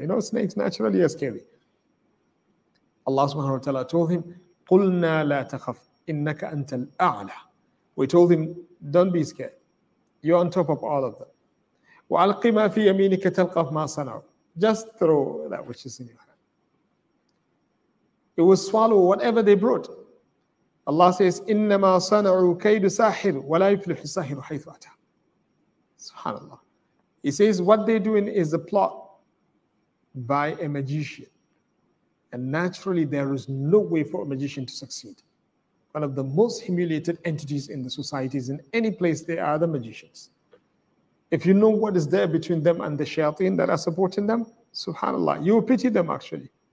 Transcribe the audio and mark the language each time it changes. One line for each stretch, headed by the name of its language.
English: You know, snakes naturally are scary. Allah subhanahu wa ta'ala told him,
Arabic: قُلْنَا لَا تَخَفْ إِنَّكَ أَنْتَ الْأَعْلَى.
English: We told him, don't be scared. You're on top of all of them.
Arabic: وَأَلْقِ مَا فِي يَمِينِكَ تَلْقَفْ مَا صَنَعُ.
English: Just throw that which is in your hand. It will swallow whatever they brought. Allah says,
Arabic: إِنَّمَا صَنَعُ كَيْدُ سَاحِرُ وَلَا يُفْلِحُ السَّاحِرُ حَيْثُ أَتَى.
English: SubhanAllah. He says what they're doing is a plot by a magician. And naturally, there is no way for a magician to succeed. One of the most humiliated entities in the societies, in any place, they are the magicians. If you know what is there between them and the shayateen that are supporting them, SubhanAllah, you will pity them actually.